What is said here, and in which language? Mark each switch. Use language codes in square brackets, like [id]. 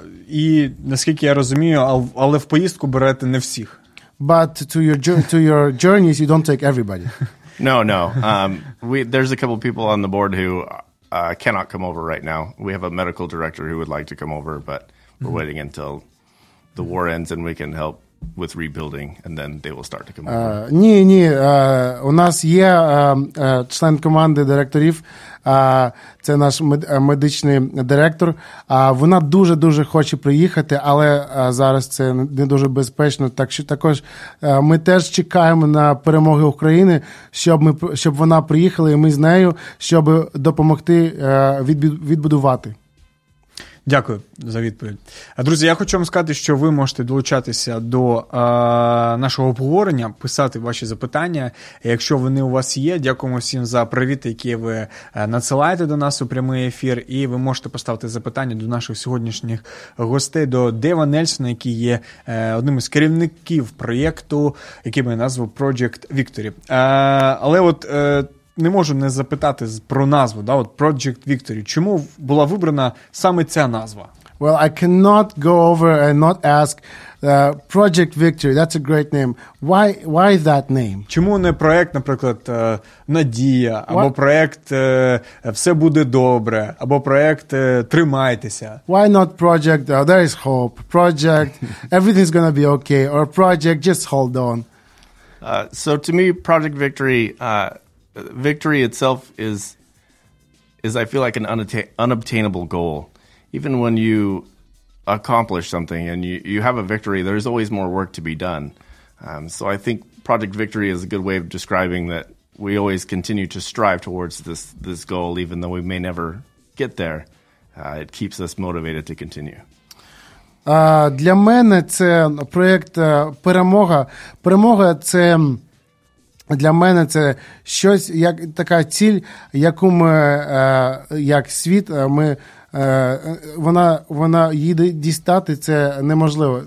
[uk] І наскільки я розумію, але в поїздку берете не всіх. [en] But to your journeys you don't take everybody. No. There's a couple of people on the board who cannot come over right now. We have a medical director who would like to come over, but we're waiting until the war ends and we can help with rebuilding and then they will start to come over. [uk] Ні, у нас є член команди директорів. Це наш медичний директор. Вона дуже-дуже хоче приїхати, але зараз це не дуже безпечно. Так що також ми теж чекаємо на перемоги України, щоб вона приїхала і ми з нею, щоб допомогти відбудувати. Дякую за відповідь. Друзі, я хочу вам сказати, що ви можете долучатися до нашого обговорення, писати ваші запитання. Якщо вони у вас є, дякуємо всім за привіти, які ви надсилаєте до нас у прямий ефір. І ви можете поставити запитання до наших сьогоднішніх гостей, до Дева Нельсона, який є одним із керівників проєкту, який має назву Project Victory. Не можу не запитати про назву, да, от Project Victory. Чому була вибрана саме ця назва? [en] Well, I cannot go over and not ask Project Victory. That's a great name. Why that name? [uk] Чому не проект, наприклад, Надія, або проект Все буде добре, або проект Тримайтеся? [en] Why not Project There is hope. Project Everything's gonna be okay, or Project Just hold on. So to me Project Victory victory itself is I feel like an unobtainable goal. Even when you accomplish something and you have a victory, there's always more work to be done. So I think Project Victory is a good way of describing that we always continue to strive towards this goal, even though we may never get there. It keeps us motivated to continue. [uk] Для мене це проект перемога. Перемога – це... Для мене це щось, як така ціль, яку ми, як світ, ми, вона її дістати, це неможливо.